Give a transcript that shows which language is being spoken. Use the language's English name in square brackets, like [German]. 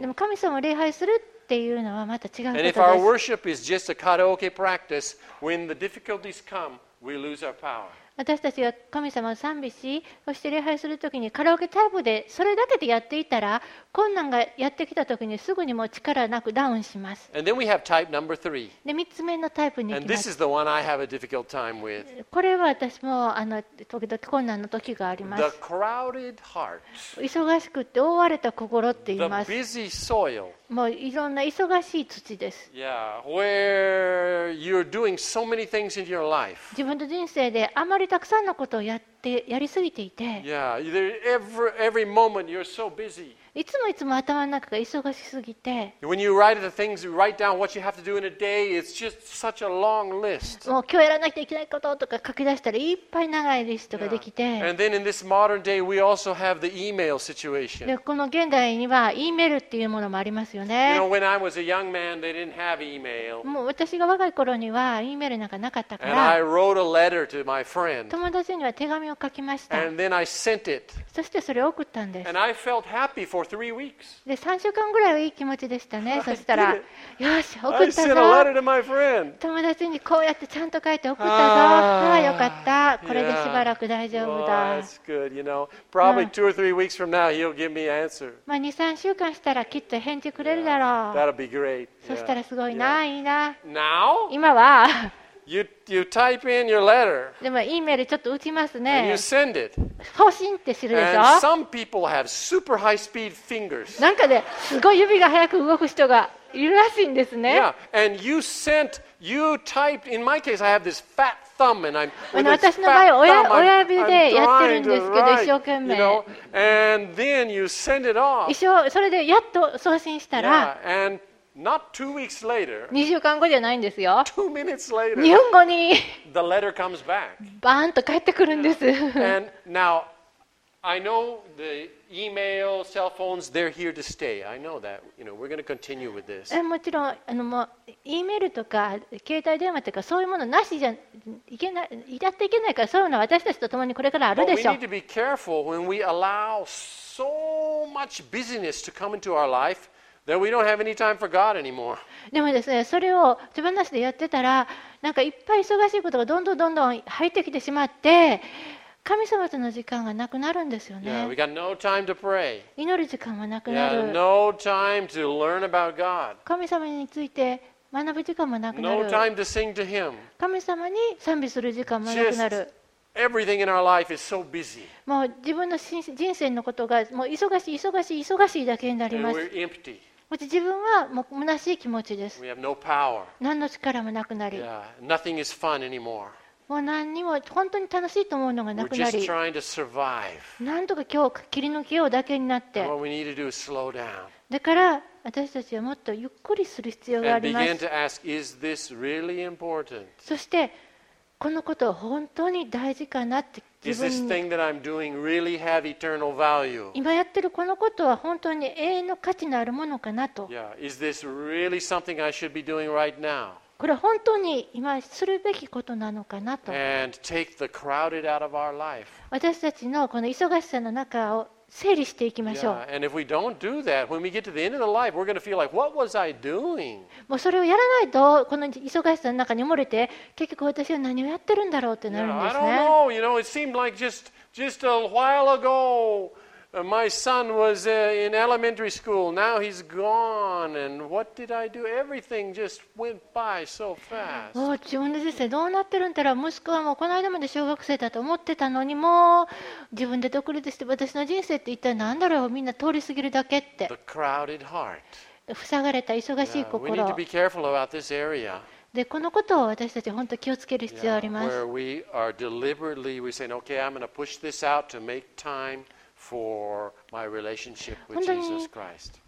[Japanese] でも神様を礼拝するっていうのはまた違うことです。 [English] And if our worship is just a karaoke practice, when the difficulties come, we lose our power。 [Japanese] 私たちが神様を賛美し、そして礼拝するときにカラオケタイプでそれだけでやっていたら、困難がやってきたときにすぐにも力なくダウンします。 [English] And then we have type number three. [Japanese] で、3つ目のタイプに行きます。 [English] And this is the one I have a difficult time with. [Japanese] これは私も時々困難の時があります。 [English] The crowded heart. [Japanese] 忙しくて覆われた心って言います。 [English] The busy soil. [Japanese] もういろんな忙しい土です。 [English] Yeah, where you're doing so many things in your life. [Japanese] 自分の人生であまりたくさんのことをやってやりすぎていて。 [English] Yeah, every moment you're so busy. [Japanese] いつもいつも頭の中が忙しすぎて。 [English] When you write the things, you write down what you have to do in a day, it's just such a long list. [Japanese] もう今日やらなきゃいけないこととか書き出したらいっぱい長いリストができて。 [English] Yeah. And then in this modern day, we also have the email situation. [Japanese] で、この現代には、E メールっていうものもありますよね。 [English] You know, when I was a young man, they didn't have email. [Japanese] もう私が若い頃には、E メールなんかなかったから。 [English] And I wrote a letter to my friend. [Japanese] 友達には手紙を書きました。 [English] And then I sent it. [Japanese] そしてそれを送ったんです。 [English] And I felt happy for3 weeks. [Japanese] で、3週間ぐらいはいい気持ちでしたね。そしたら、よし、送ったぞ。 [English] I sent a letter to my friend. [Japanese] 友達にこうやってちゃんと書いて送ったぞ。ああ、よかった。これでしばらく大丈夫だ。 [English] Well, that's good. You know, probably 2 or 3 weeks from now, he'll give me answer. [Japanese] まあ、2-3週間したらきっと返事くれるだろう。 [English] Yeah, that'll be great. [Japanese] そしたらすごいな、yeah. いいな。 [English] Now? [Japanese] 今は。 [English] You type in your letter. [Japanese] でも、E メールちょっと打ちますね。 [English] And you send it. [Japanese] 送信って知るでしょ。 [English] And some people have super high speed fingers. [Japanese] なんかね、すごい指が速く動く人がいるらしいんですね。 [English] Yeah. And you sent, you typed, in my case, I have this fat thumb and I'm, with this fat thumb, [Japanese] 私の場合は親指でやってるんですけど、一生懸命。 [English] You know? And then you send it off. [Japanese] 一生、それでやっと送信したら。 [English] Yeah. And Not 2 weeks later. [Japanese] 2週間後じゃないんですよ。 [English] 2 minutes later. [Japanese] 2分後に。 [English] The letter comes back. [Japanese] バーンと返ってくるんです。 [English] And now, I know the email, cell phones, they're here to stay. I know that. You know, we're going to continue with this. [Japanese] もちろん、もう、E メールとか携帯電話とかそういうものなしじゃいけない、やっていけないから、そういうのは私たちと共にこれからあるでしょう。 [English] But we need to be careful when we allow so much busyness to come into our life. That we don't have any time for God anymore. [Japanese] でもですね、それを手放しでやってたら、なんかいっぱい忙しいことがどんどんどんどん入ってきてしまって、神様との時間がなくなるんですよね。 [English] Yeah, we got no time to pray. [Japanese] 祈る時間もなくなる。 [English] Yeah, no time to learn about God. [Japanese] 神様について学ぶ時間もなくなる。 [English] No time to sing to Him. [Japanese] 神様に賛美する時間もなくなる。 [English] Just... Everything in our life is so busy. [Japanese] もう自分の人生のことがもう忙しい忙しい忙しいだけになります。 [English] And we're empty. [Japanese] もう自分はもう虚しい気持ちです。 [English] We have no power. [Japanese] 何の力もなくなり。 [English] Yeah. Nothing is fun anymore. [Japanese] もう何にも本当に楽しいと思うのがなくなり。 [English] We're just trying to survive. [Japanese] 何とか今日切り抜けようだけになって。 [English] And what we need to do is slow down. [Japanese] だから私たちはもっとゆっくりする必要があります。 [English] And begin to ask, is this really important? [Japanese] そしてこのことは本当に大事かなって自分に、 [English] really、 [Japanese] 今やってるこのことは本当に永遠の価値のあるものかなと、 [English] yeah. really right、 [Japanese] これは本当に今するべきことなのかなと、 [English] And take the crowded out of our life. [Japanese] 私たちのこの忙しさの中を整理していきましょう。 [English] Yeah, and if we don't do that, when [Japanese] もうそれをやらないとこの忙しさの中に埋もれて結局私は何をやってるんだろうってなるんですね。 [English] Yeah, I don't know. You know, it seemed like just a while ago, my son was in elementary school. Now he's gone. And what did I do? Everything just went by so fast. [Japanese] もう自分の人生どうなってるんだろう。息子はもうこの間まで小学生だと思ってたのに、もう自分で独立して私の人生って一体何だろう。みんな通り過ぎるだけって。 [English] The crowded heart. [Japanese] 塞がれた忙しい心。 [English] Yeah, we need to be careful about this area. [Japanese] でこのことを私たち本当に気をつける必要があります。 [English] Yeah, where we are deliberately, we say, okay, I'm going to push this out to make time for my relationship with Jesus Christ.